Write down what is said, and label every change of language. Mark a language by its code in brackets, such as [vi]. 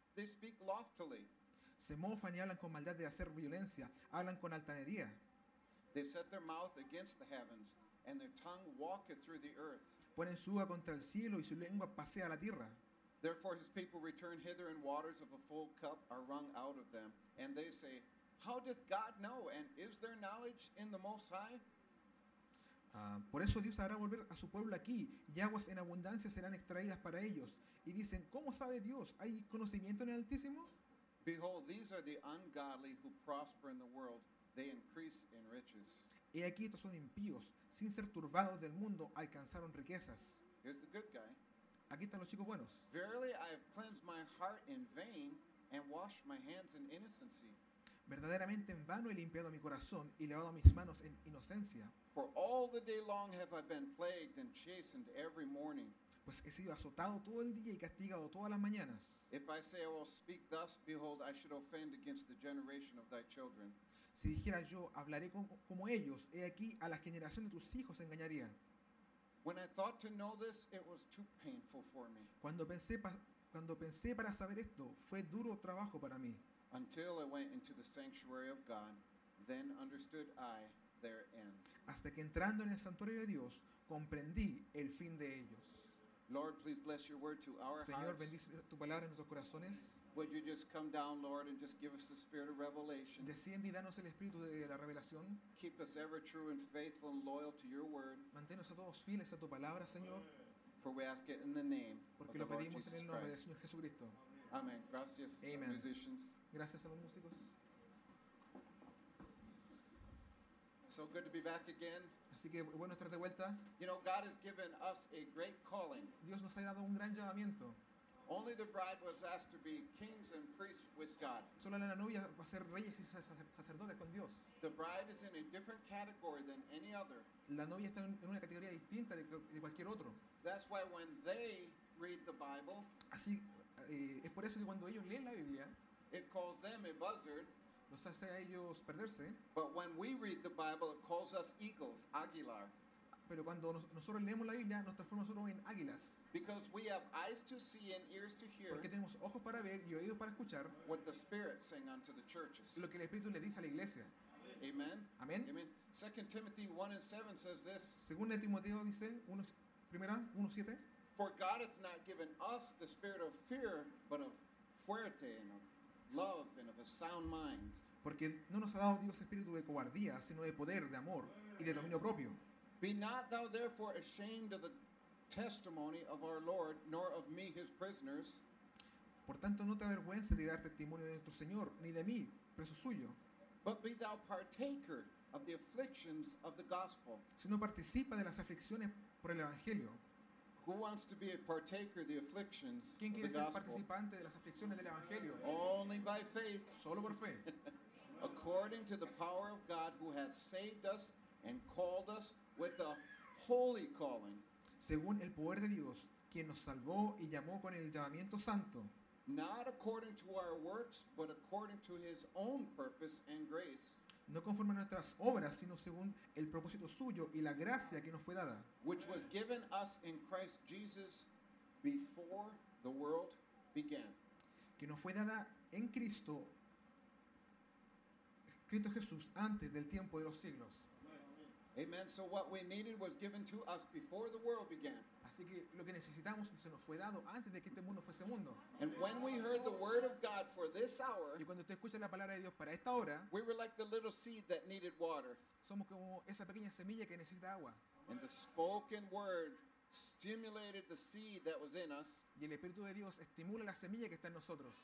[en] They speak loftily. [es] Se mofan y hablan con maldad de hacer violencia, hablan con altanería. [en] They set their mouth against the heavens, and their tongue walketh through the earth. [es] Ponen su boca contra el cielo y su lengua pasea la tierra. [en] Therefore his people return hither, and waters of a full cup are wrung out of them. And they say, how doth God know, and is there knowledge in the Most High? [es] Por eso Dios hará volver a su pueblo aquí, y aguas en abundancia serán extraídas para ellos. Y dicen, ¿cómo sabe Dios? ¿Hay conocimiento en el Altísimo? [en] Behold, these are the ungodly who prosper in the world. They increase in riches. [es] Y aquí estos son impíos, sin ser turbados del mundo, alcanzaron riquezas. [en] Here's the good guy. [es] Aquí están los chicos buenos. [en] Verily I have cleansed my heart in vain and washed my hands in innocency. [es] Verdaderamente en vano he limpiado mi corazón y lavado mis manos en inocencia. [en] For all the day long have I been plagued and chastened every morning. [es] Pues he sido azotado todo el día y castigado todas las mañanas. [en] If I say I will speak thus, behold, I should offend against the generation of thy children. [es] Si dijera yo, hablaré como ellos, he aquí a la generación de tus hijos engañaría. [en] When I thought to know this, it was too painful for me. [es] Cuando pensé para saber esto, fue duro trabajo para mí. [en] Until I went into the sanctuary of God, then understood I their end. [es] Hasta que entrando en el santuario de Dios, comprendí el fin de ellos. [en] Lord, please bless your word to our hearts. [es] Señor, bendice tu palabra en nuestros corazones. [en] Would you just come down, Lord, and just give us the spirit of revelation? [es] Desciende y danos el espíritu de la revelación. [en] Keep us ever true and faithful and loyal to your word. [es] Manténnos a todos fieles a tu palabra, Señor. [en] For we ask it in the name [es] porque lo pedimos en el nombre del Señor Jesucristo. Amen. Gracias, amen. [en] Musicians. [es] Gracias a los músicos. [en] So good to be back again. [es] Así que bueno estar de vuelta. [en] You know, God has given us a great calling. [es] Dios nos ha dado un gran llamamiento. [en] Only the bride was asked to be kings and priests with God. [es] Solo la novia va a ser reyes y sacerdotes con Dios. [en] The bride is in a different category than any other. [es] La novia está en una categoría distinta de cualquier otro. [en] That's why when they read the Bible, [es] así es por eso que cuando ellos leen la Biblia, [en] it calls them a buzzard. [es] Los hace a ellos perderse. [en] But when we read the Bible, it calls us eagles, Aguilar. [es] Pero cuando nosotros leemos la Biblia, nos transforma nosotros en águilas. [en] Because we have eyes to see and ears to hear. [es] Porque tenemos ojos para ver y oídos para escuchar. [en] What the Spirit saying unto the churches. [es] Lo que el Espíritu le dice a la iglesia. [en] Amen. [es] Amen. [en] Amen. 2 Timothy 1:7 says this. [es] Segunda Timoteo dice, primera 1:7. [en] For God hath not given us the spirit of fear, but of fuerte and of love and of a sound mind. [es] Porque no nos ha dado Dios espíritu de cobardía, sino de poder, de amor y de dominio propio. [en] Be not thou therefore ashamed of the testimony of our Lord, nor of me his prisoners. [es] Por tanto, no te avergüences de dar testimonio de nuestro Señor, ni de mí, preso suyo. [en] But be thou partaker of the afflictions of the gospel. [es] Sino participa de las aflicciones por el evangelio. [en] Who wants to be a partaker of the afflictions of the gospel? [es] ¿Quién quiere ser participante de las aflicciones del evangelio? [en] Only by faith. [es] Solo por fe. [en] According to the power of God who hath saved us and called us with a holy calling. [es] Según el poder de Dios, quien nos salvó y llamó con el llamamiento santo. [en] Not according to our works, but according to his own purpose and grace. [es] No conforme a nuestras obras, sino según el propósito suyo y la gracia que nos fue dada. [en] Which was given us in Christ Jesus before the world began. [es] Que nos fue dada en Cristo Jesús antes del tiempo de los siglos. [en] Amen. So what we needed was given to us before the world began. [es] Así que lo que necesitamos se nos fue dado antes de que este mundo fuese mundo. [en] And when we heard the word of God for this hour, [es] y cuando usted escucha la palabra de Dios para esta hora, [en] we were like the little seed that needed water. [es] Somos como esa pequeña semilla que necesita agua. [en] And the spoken word stimulated the seed that was in us. [es] Y el Espíritu de Dios estimula la semilla que está en nosotros.